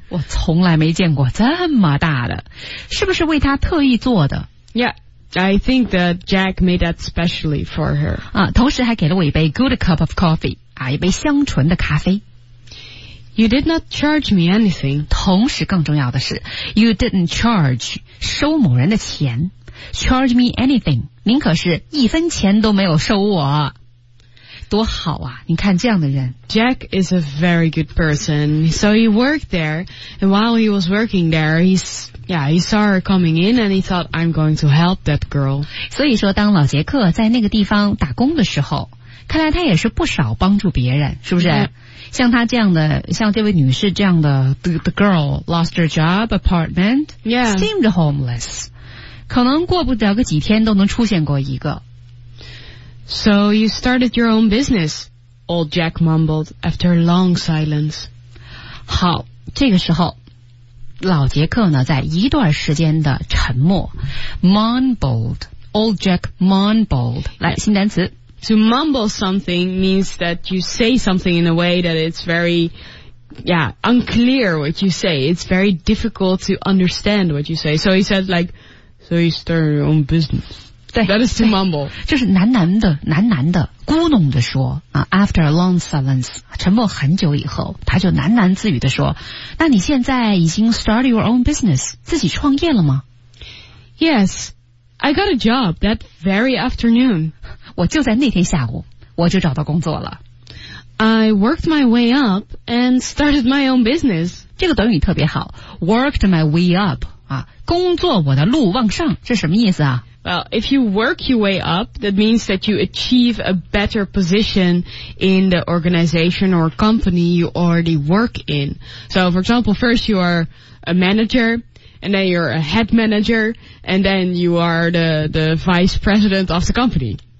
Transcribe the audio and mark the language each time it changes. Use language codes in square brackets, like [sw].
[zh] 我从来没见过这么大的，是不是为她特意做的？ [en] Yeah, I think that Jack made that specially for her. [zh] 啊，同时还给了我一杯 [en] good cup of coffee, [zh] 啊，一杯香醇的咖啡。 [en] You did not charge me anything. [zh] 同时更重要的是 , [en] you didn't charge, [zh] 收某人的钱。 [en] Charge me anything, [zh] 您可是一分钱都没有收我。多好啊，你看这样的人。 [en] Jack is a very good person. So he worked there, and while he was working there, he saw her coming in, and he thought, I'm going to help that girl. [zh] 所以说当老杰克在那个地方打工的时候，看来他也是不少帮助别人，是不是？ [en] Yeah. [zh] 像他这样的，像这位女士这样的 [en] the girl lost her job, apartment, yeah. seemed homeless. [zh] 可能过不了个几天都能出现过一个。 [en] So you started your own business, old Jack mumbled after long silence. [zh] 好，这个时候老杰克呢在一段时间的沉默 mumbled, [en] old Jack mumbled, [zh] 来新单词。 [en] To mumble something means that you say something in a way that it's very, yeah, unclear what you say. It's very difficult to understand what you say. So he said like, so you start your own business. That is to mumble. [zh] 就是喃喃的咕哝的说、 [en] after a long silence, [zh] 沉默很久以后他就喃喃自语的说那你现在已经 [en] start your own business, [zh] 自己创业了吗 [en] Yes, I got a job that very afternoon. [zh] 我就在那天下午我就找到工作了 [en] I worked my way up and started my own business [zh] 这个短语特别好 [en] worked my way up、 [zh] 工作我的路往上这什么意思啊 [en] Well, if you work your way up that means that you achieve a better position in the organization or company you already work in So, for example, first you are a managerAnd then you're a head manager, and then you are the vice president of the company.